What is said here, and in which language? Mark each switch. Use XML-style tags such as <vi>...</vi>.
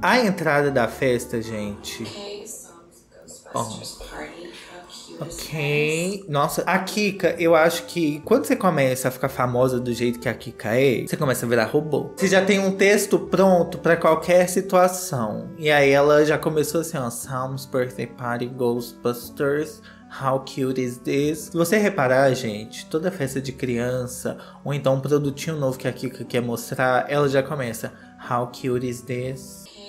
<pt>A entrada da festa, gente. Ok. Nossa, a Kika, eu acho que quando você começa a ficar famosa do jeito que a Kika é, você começa a virar robô. Você já tem um texto pronto pra qualquer situação. E aí ela já começou assim, ó.</pt> <en>Salmo's birthday party, Ghostbusters, how cute is this?</en> <pt>Se você reparar, gente, toda festa de criança, ou então um produtinho novo que a Kika quer mostrar, ela já começa,</pt> <en>how cute is this?</en>